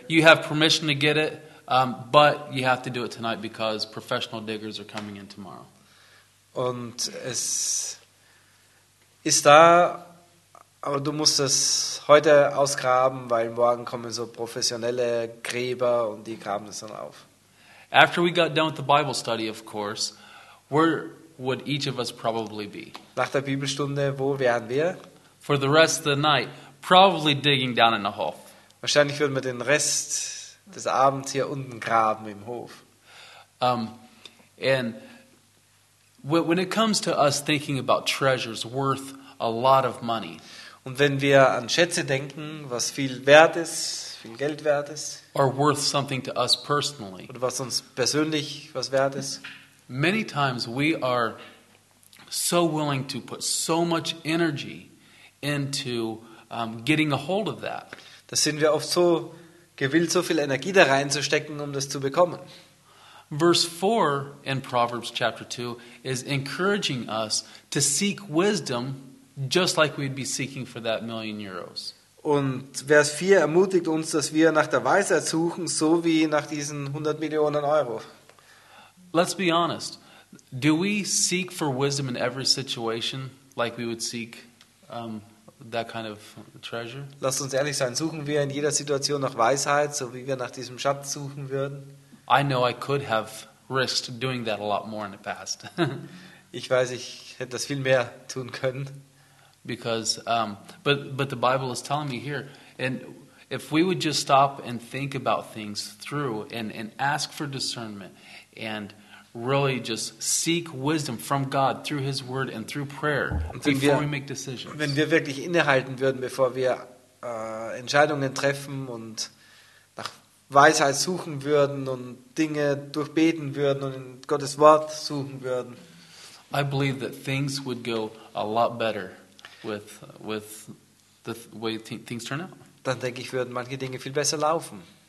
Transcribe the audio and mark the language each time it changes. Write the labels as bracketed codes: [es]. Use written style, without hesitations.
[en] You have permission to get it, but you have to do it tonight because professional diggers are coming in tomorrow. [de] Und es ist da, aber du musst es heute ausgraben, weil morgen kommen so professionelle Gräber und die graben es dann auf. [en] After we got done with the Bible study, of course, where would each of us probably be? [de] Nach der Bibelstunde, wo wären wir? [en] For the rest of the night, probably digging down in a hole. [de] Wahrscheinlich würden wir den Rest des Abends hier unten graben im Hof. [en] And when it comes to us thinking about treasures worth a lot of money. [de] Und wenn wir an Schätze denken, was viel wert ist, viel Geld wert ist. [en] Or worth something to us personally. [de] Oder was uns persönlich was wert ist. [en] Many times we are so willing to put so much energy into getting a hold of that. [de] Da sind wir oft so gewillt, so viel Energie da reinzustecken, um das zu bekommen. [en] Verse 4 in Proverbs chapter 2 is encouraging us to seek wisdom just like we'd be seeking for that million euros. [de] Und Vers 4 ermutigt uns, dass wir nach der Weisheit suchen, so wie nach diesen 100 Millionen Euro. [en] Let's be honest. Do we seek for wisdom in every situation like we would seek that kind of treasure? [de] Lasst uns ehrlich sein, suchen wir in jeder Situation nach Weisheit, so wie wir nach diesem Schatz suchen würden? [en] I know I could have risked doing that a lot more in the past. [de] Ich weiß, ich hätte das viel mehr tun können. [en] Because but the Bible is telling me here, and if we would just stop and think about things through and ask for discernment and really just seek wisdom from God through his word and through prayer before we make decisions. [de] Wenn wir wirklich innehalten würden, bevor wir Entscheidungen treffen und nach Weisheit suchen würden und Dinge durchbeten würden und in Gottes Wort suchen würden. [en] I believe that things would go a lot better with the way things turn out. [de] Dann denke ich, würden manche Dinge viel besser laufen.